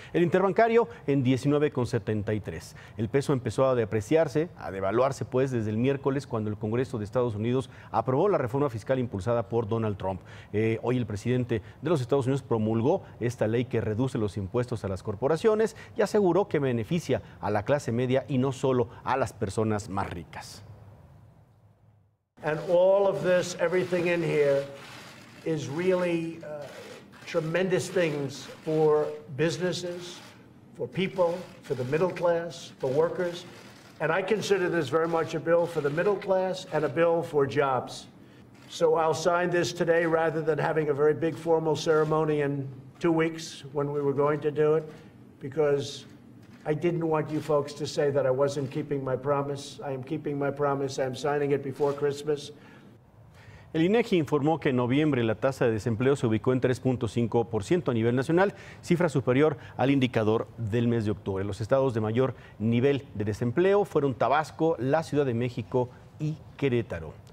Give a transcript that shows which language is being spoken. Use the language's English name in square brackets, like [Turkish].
[Spanish] El interbancario en 19,73. El peso empezó a devaluarse desde el miércoles cuando el Congreso de Estados Unidos aprobó la reforma fiscal impulsada por Donald Trump. Hoy el presidente de los Estados Unidos promulgó esta ley que reduce los impuestos a las corporaciones y aseguró que beneficia a la clase media y no solo a las personas más ricas. [English] And all of this, everything in here, is really tremendous things for businesses, for people, for the middle class, for workers. And I consider this very much a bill for the middle class and a bill for jobs. So I'll sign this today rather than having a very big formal ceremony in 2 weeks when we were going to do it, because I didn't want you folks to say that I wasn't keeping my promise. I am keeping my promise. I'm signing it before Christmas. [Spanish] El INEGI informó que en noviembre la tasa de desempleo se ubicó en 3.5% a nivel nacional, cifra superior al indicador del mes de octubre. Los estados de mayor nivel de desempleo fueron Tabasco, la Ciudad de México y Querétaro.